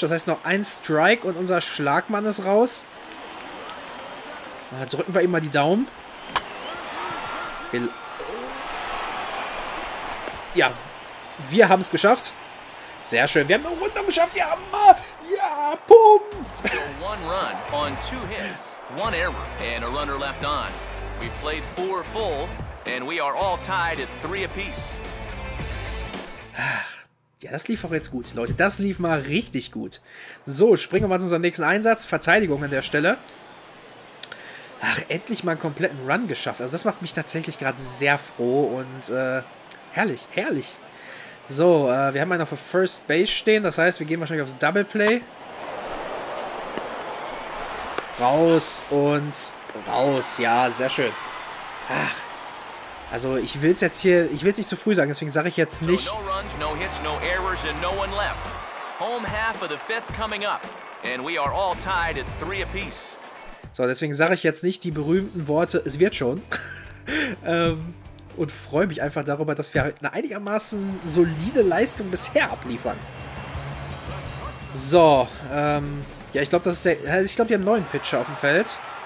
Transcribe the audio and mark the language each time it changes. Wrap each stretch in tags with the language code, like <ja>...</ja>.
<de>Das heißt, noch ein Strike und unser Schlagmann ist raus. Drücken wir ihm mal die Daumen. Ja, wir haben es geschafft. Sehr schön. Wir haben eine Runde geschafft. Ja, Ja, Punkt!</de> <en>So one run on two hits, one error, and a runner left on. We played four full, and we are all tied at three apiece.</en> <de>Ja, das lief auch jetzt gut, Leute. Das lief mal richtig gut. So, springen wir mal zu unserem nächsten Einsatz. Verteidigung an der Stelle. Ach, endlich mal einen kompletten Run geschafft. Also das macht mich tatsächlich gerade sehr froh und herrlich, herrlich. So, wir haben einen auf der First Base stehen. Das heißt, wir gehen wahrscheinlich aufs Double Play. Raus und raus. Ja, sehr schön. Ach. Also ich will es jetzt hier, ich will es nicht zu früh sagen, deswegen sage ich jetzt nicht.</de> <en>So, no runs, no hits, no errors and no one left. Home half of the fifth coming up and we are all tied at three apiece.</en> <de>So, deswegen sage ich jetzt nicht die berühmten Worte, es wird schon. und freue mich einfach darüber, dass wir eine einigermaßen solide Leistung bisher abliefern. So, ja, ich glaube, das ist der, ich glaube, wir haben einen neuen Pitcher auf dem Feld.</de>